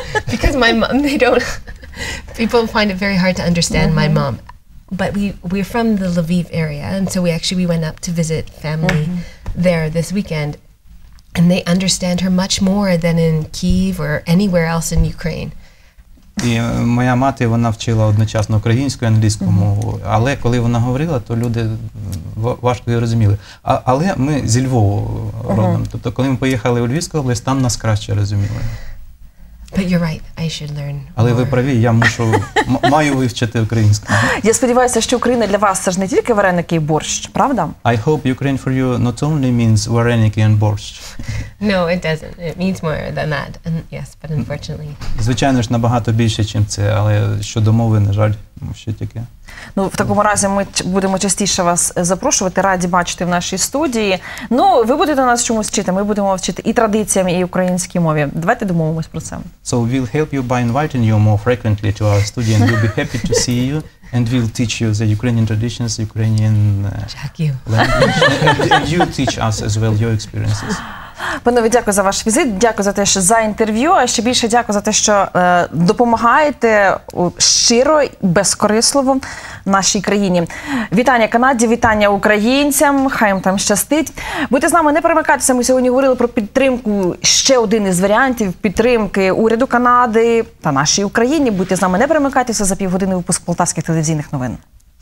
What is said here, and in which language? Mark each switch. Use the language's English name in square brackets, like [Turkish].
[English] Because my mom, people find it very hard to understand mm-hmm. my mom. But we're from the Lviv area, and so we went up to visit family mm-hmm. there this weekend, and they understand her much more than in Kyiv or anywhere else in Ukraine. [Ukrainian] І моя мати, вона вчила одночасно українську і англійську мову. Але коли вона говорила, то люди важко її розуміли. Але ми зі Львову родом. Тобто, коли ми поїхали у Львівську область, там нас краще розуміли. [English] But you're right, I should learn more. [Ukrainian] Але ви праві, я мушу, маю вивчити українську. Я сподіваюся, що Україна для вас – це ж не тільки вареники і борщ, правда? [English] I hope Ukraine for you not only means вареники and борщ. No, it doesn't. It means more than that. Yes, but unfortunately. [Ukrainian] Звичайно ж, набагато більше, чим це, але щодо мови, на жаль, ще таке. Ну, в такому разі ми будемо частіше вас запрошувати, раді бачити в нашій студії. Ну, ви будете нас чомусь вчити, ми будемо вчити і традиціям, і українській мові. Давайте домовимось про це. [English] So we'll help you by inviting you more frequently to our studio and we'll be happy to see you and we'll teach you the Ukrainian traditions, Ukrainian language. And you teach us as well your experiences. [Ukrainian] Панове, дякую за ваш візит, дякую за те, що за інтерв'ю, а ще більше дякую за те, що допомагаєте щиро, безкорисливо нашій країні. Вітання Канаді, вітання українцям, хай їм там щастить. Будьте з нами, не перемикайтеся, ми сьогодні говорили про підтримку, ще один із варіантів підтримки уряду Канади та нашій Україні. Будьте з нами, не перемикайтеся, за півгодини випуск полтавських телевізійних новин.